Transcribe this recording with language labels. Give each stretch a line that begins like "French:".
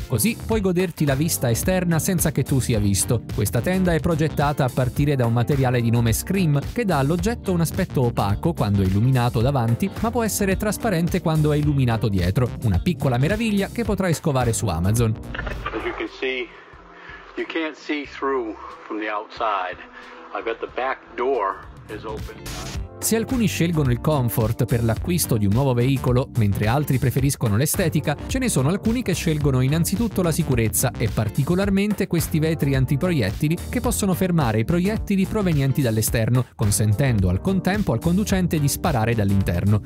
Italian: Così puoi goderti la vista esterna senza che tu sia visto. Questa tenda è progettata a partire da un materiale di nome Scream che dà all'oggetto un aspetto opaco quando è illuminato davanti, ma può essere trasparente quando è illuminato dietro. Una piccola meraviglia che potrai scovare su Amazon.
English: As you can see, you can't see through from the outside. I've got the back door is open.
Italian: Se alcuni scelgono il comfort per l'acquisto di un nuovo veicolo, mentre altri preferiscono l'estetica, ce ne sono alcuni che scelgono innanzitutto la sicurezza e particolarmente questi vetri antiproiettili che possono fermare i proiettili provenienti dall'esterno, consentendo al contempo al conducente di sparare dall'interno.